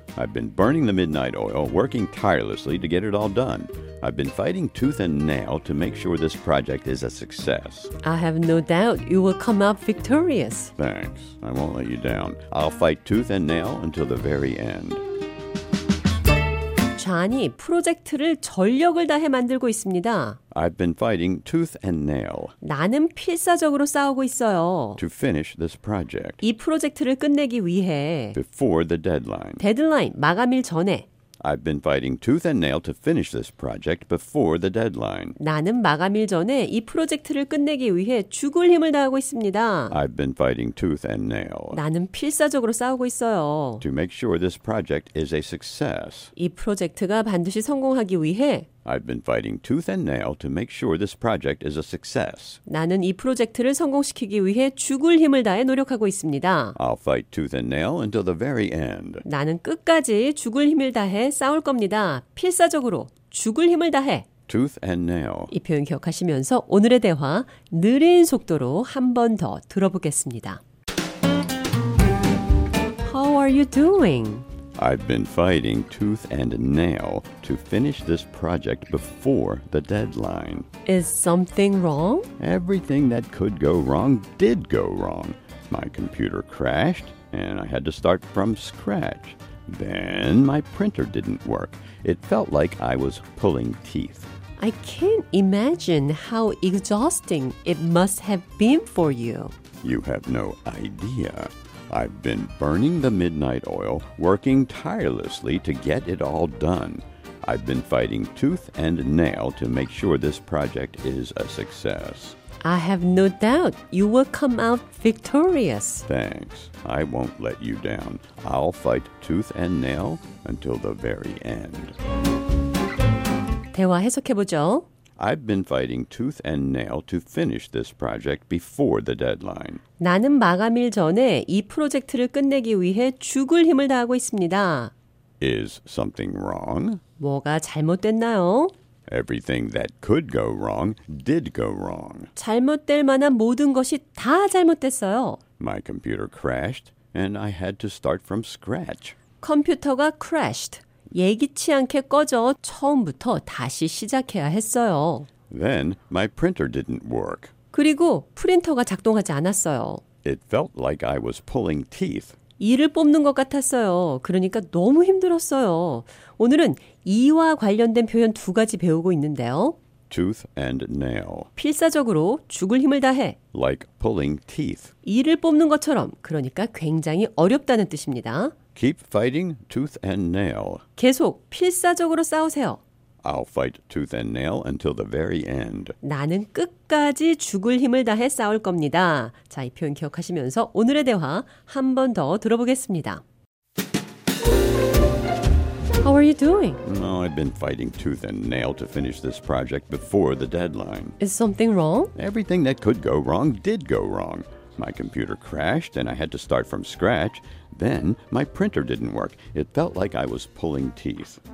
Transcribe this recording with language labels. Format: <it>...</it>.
<en>I've been burning the midnight oil, working tirelessly to get it all done. I've been fighting tooth and nail to make sure this project is a success. I have no doubt you will come out victorious. Thanks. I won't let you down. I'll fight tooth and nail until the very end.</en> <ko>존이 프로젝트를 전력을 다해 만들고 있습니다.</ko> <en>I've been fighting tooth and nail.</en> <ko>나는 필사적으로 싸우고 있어요.</ko> <en>To finish this project.</en> <ko>이 프로젝트를 끝내기 위해.</ko> <en>Before the deadline.</en> <ko>데드라인, 마감일 전에.</ko> <en>I've been fighting tooth and nail to finish this project before the deadline.</en> <ko>나는 마감일 전에 이 프로젝트를 끝내기 위해 죽을 힘을 다하고 있습니다.</ko> <en>I've been fighting tooth and nail.</en> <ko>나는 필사적으로 싸우고 있어요.</ko> <en>To make sure this project is a success.</en> <ko>이 프로젝트가 반드시 성공하기 위해</ko> <en>I've been fighting tooth and nail to make sure this project is a success.</en> <ko>나는 이 프로젝트를 성공시키기 위해 죽을 힘을 다해 노력하고 있습니다.</ko> <en>I'll fight tooth and nail until the very end.</en> <ko>나는 끝까지 죽을 힘을 다해 싸울 겁니다. 필사적으로 죽을 힘을 다해.</ko> <en>Tooth and nail.</en> <ko>이 표현 기억하시면서 오늘의 대화 느린 속도로 한 번 더 들어보겠습니다.</ko> <en>How are you doing? I've been fighting tooth and nail to finish this project before the deadline. Is something wrong? Everything that could go wrong did go wrong. My computer crashed and I had to start from scratch. Then my printer didn't work. It felt like I was pulling teeth. I can't imagine how exhausting it must have been for you. You have no idea. I've been burning the midnight oil, working tirelessly to get it all done. I've been fighting tooth and nail to make sure this project is a success. I have no doubt you will come out victorious. Thanks. I won't let you down. I'll fight tooth and nail until the very end.</en> <ko>대화 해석해보죠.</ko> <en>I've been fighting tooth and nail to finish this project before the deadline.</en> <ko>나는 마감일 전에 이 프로젝트를 끝내기 위해 죽을 힘을 다하고 있습니다.</ko> <en>Is something wrong?</en> <ko>뭐가 잘못됐나요?</ko> <en>Everything that could go wrong did go wrong.</en> <ko>잘못될 만한 모든 것이 다 잘못됐어요.</ko> <en>My computer crashed and I had to start from scratch.</en> <ko>컴퓨터가</ko> <en>crashed.</en> <ko>예기치 않게 꺼져 처음부터 다시 시작해야 했어요.</ko> <en>Then my printer didn't work.</en> <ko>그리고 프린터가 작동하지 않았어요.</ko> <en>It felt like I was pulling teeth.</en> <ko>이를 뽑는 것 같았어요. 그러니까 너무 힘들었어요. 오늘은 이와 관련된 표현 두 가지 배우고 있는데요.</ko> <en>Tooth and nail.</en> <ko>필사적으로 죽을 힘을 다해.</ko> <en>Like pulling teeth.</en> <ko>이를 뽑는 것처럼 그러니까 굉장히 어렵다는 뜻입니다.</ko> <en>Keep fighting tooth and nail.</en> <ko>계속 필사적으로 싸우세요.</ko> <en>I'll fight tooth and nail until the very end.</en> <ko>나는 끝까지 죽을 힘을 다해 싸울 겁니다. 자, 이 표현 기억하시면서 오늘의 대화 한 번 더 들어보겠습니다.</ko> <en>How are you doing? Oh, I've been fighting tooth and nail to finish this project before the deadline. Is something wrong? Everything that could go wrong did go wrong. My computer crashed and I had to start from scratch. Then my printer didn't work. It felt like I was pulling teeth.</en>